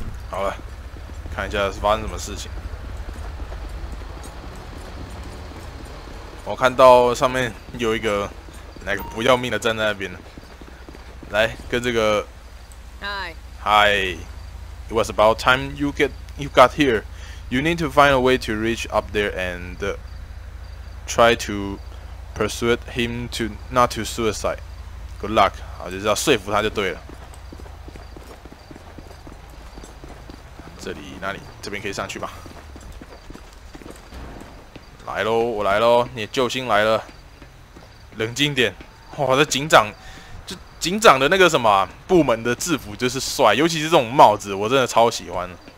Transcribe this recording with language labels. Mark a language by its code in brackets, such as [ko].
[zh] 好了，看一下是发生什么事情。我看到上面有一个那个不要命的站在那边，来跟这个 [en] ，Hi， it was about time you got here。 You need to find a way to reach up there and try to persuade him to not to suicide. Good luck. [zh] 好，就是要说服他就对了。这里哪里？这边可以上去吧。来喽，我来喽，你的救星来了。冷静点。哇，这警长，就警长的那个什么部门的制服就是帅，尤其是这种帽子，我真的超喜欢。